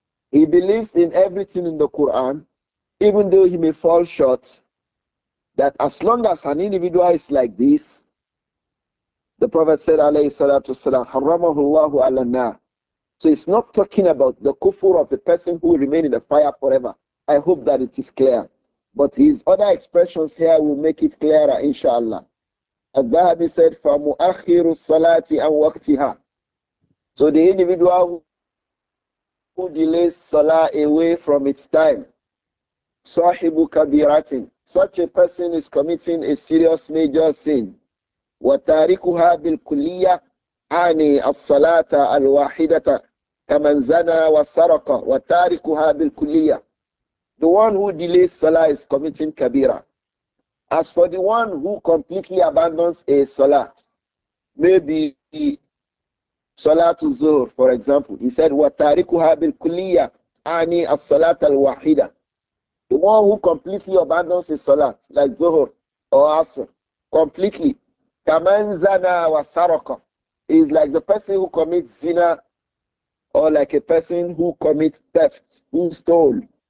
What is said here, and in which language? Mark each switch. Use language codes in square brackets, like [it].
[en] He believes in everything in the Quran, even though he may fall short, that as long as an individual is like this, the Prophet said, alayhi salatu wasalam, [ar] harramahu Allahu ala nar. [en] So it's not talking about the kufur of the person who will remain in the fire forever. I hope that it is clear. But his other expressions here will make it clearer, inshallah. Al-Dhahabi said, [ar] فَمُؤَخِّرُ الصَّلَاةِ أَنْ وَقْتِهَا. [en] So the individual who delays Salah away from its time, [ar] صَاحِبُ كَبِيرَةٍ, [en] such a person is committing a serious major sin. [ar] وَتَارِكُهَا بِالْكُلِّيَّةِ عَنِي الصَّلَاةَ الْوَاحِدَةَ كَمَنْ زَنَى وَسَرَقَ وَتَارِكُهَا بِالْكُلِّيَّةِ. [en] The one who delays Salah is committing kabira. As for the one who completely abandons a Salah, maybe Salatul Zuhr, for example, he said, [ar] وَتَارِكُهَا بِالْكُلِّيَّةِ عَنِي الصَّلَاةَ الْوَاحِدَةَ. [en] The one who completely abandons his Salah, like Zuhr or Asr, completely, [ar] كَمَنْ زَنَى وَسَرَقَ, [en] is like the person who commits zina, or like a person who commits theft, who stole.